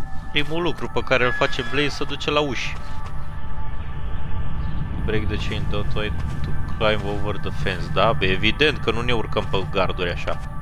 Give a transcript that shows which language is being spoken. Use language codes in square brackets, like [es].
[ro] Primul lucru pe care îl face Blaze să duce la uși. [en] Break the chain, don't wait to climb over the fence. [ro] Da, bă, evident că nu ne urcăm pe garduri așa.